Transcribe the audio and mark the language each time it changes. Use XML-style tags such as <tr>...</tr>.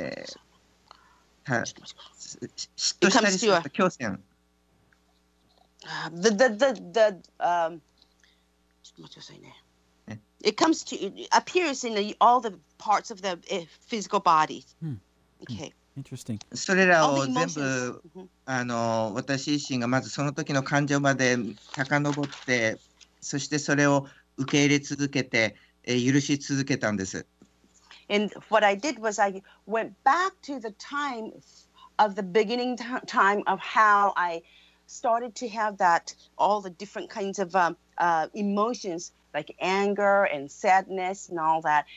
<ja>嫉妬したりすると強制。ちょっと待ってくださいね。</ja> <en>It comes to it appears in all the parts of the physical body. Okay. Interesting.</en> <ja>それらを全部あの私自身がまずその時の感情まで遡って、そしてそれを受け入れ続けて、許し続けたんです。</ja> <en>And what I did was I went back to the time of the beginning time of how I started to have that, all the different kinds of emotions, like anger and sadness and all that.</en>